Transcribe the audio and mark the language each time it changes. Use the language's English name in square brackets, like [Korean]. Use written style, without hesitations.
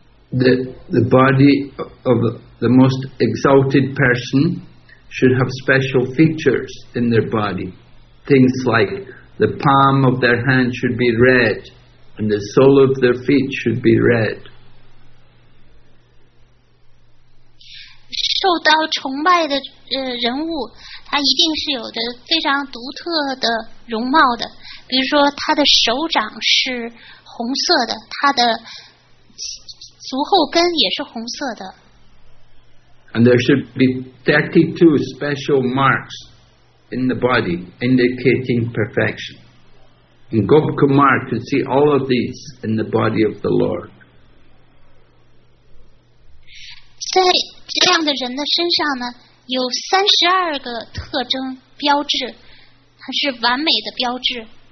[English] The body of the most exalted person should have special features in their body. Things like the palm of their hand should be red. And the sole of their feet should be red. [Chinese] 受到崇拜的人物，他一定是有着非常独特的容貌的。比如说，他的手掌是红色的，他的足后跟也是红色的。 [English] And there should be 32 special marks in the body indicating perfection. And Gopakumar could see all of these in the body of the Lord. [Chinese] 在这样的人的身上呢，有32个特征标志，它是完美的标志。